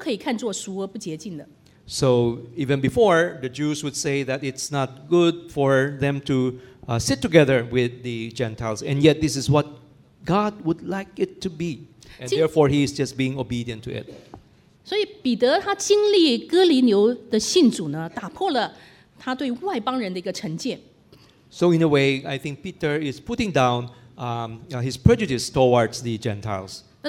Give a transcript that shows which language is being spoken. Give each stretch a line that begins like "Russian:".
Chinese: 第二天他对他们说，犹太人和别国人亲近来往本是不合理的，但神已经指示我，我无论和什么人都不可以看作属而不洁净的。So
English: even before, the Jews would say that it's not good for them to sit together with the Gentiles, and yet this is what God would like it to be, and therefore he is just being obedient to it.
Chinese: 所以彼得他经历哥尼流的信主呢，打破了 他对外邦人的一个成见。So
English: in a way, I think Peter is putting down his prejudice towards the Gentiles.